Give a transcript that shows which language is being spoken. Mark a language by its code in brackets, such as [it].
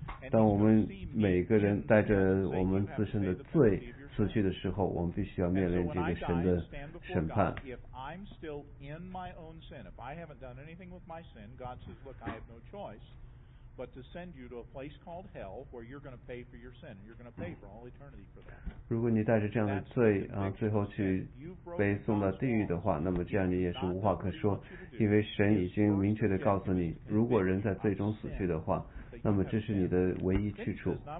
[zh] 当我们每个人带着我们自身的罪死去的时候，我们必须要面临这个神的审判。 [en] I'm still in my own sin. If I haven't done anything with my sin, God says, look, I have no choice but to send you to a place called hell where you're going to pay for your sin. You're going to pay for all eternity for that. [zh] 如果你带着这样的罪啊，最后去被送到地狱的话，那么这样你也是无话可说，因为神已经明确地告诉你，如果人在罪中死去的话，那么这是你的唯一去处。